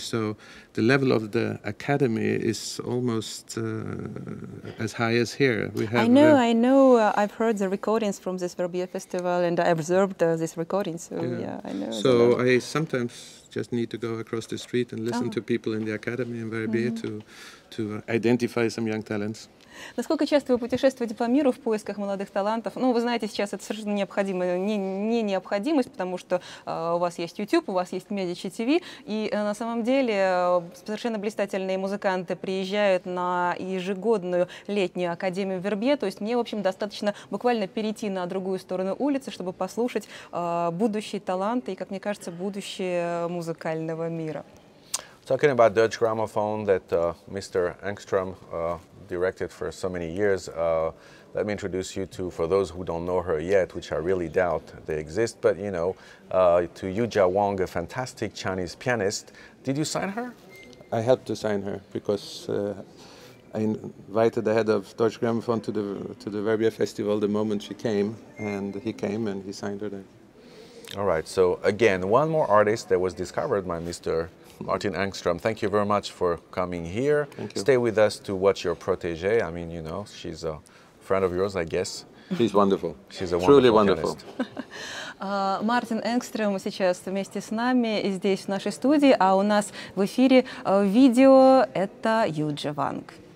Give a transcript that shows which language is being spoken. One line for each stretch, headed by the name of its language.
English: So the level of the academy is almost as high as here. I know. I've heard the recordings from this Verbier festival, and I observed these recordings. I sometimes just need to go across the street and listen to people in the academy in Verbier to identify some young talents.
Russian: Насколько часто вы путешествуете по миру в поисках молодых талантов? Ну, вы знаете, сейчас это совершенно необходимая, не необходимость, потому что у вас есть YouTube, у вас есть Medicitv, и на самом деле совершенно блистательные музыканты приезжают на ежегодную летнюю академию в Вербье, то есть мне, в общем, достаточно буквально перейти на другую сторону улицы, чтобы послушать будущие таланты и, как мне кажется, будущее музыкального мира.
English: Talking about Dutch gramophone that Mr. Engström directed for so many years, let me introduce you to, for those who don't know her yet, which I really doubt they exist, but you know, to Yuja Wong, a fantastic Chinese pianist. Did you sign her? I helped to sign her because I invited the head of Dutch gramophone to the Verbier festival the moment she came, and he came and he signed her there. All right, so again, one more artist that was discovered by Mr. Martin Engström, thank you very much for coming here. Thank you. Stay with us to watch your protege. I mean, you know, she's a friend of yours, I guess. She's wonderful. She's a wonderful truly wonderful.
Russian: Мартин Энгстрём сейчас вместе с нами здесь, в нашей студии, а у нас в эфире видео – это Юджи Ванг.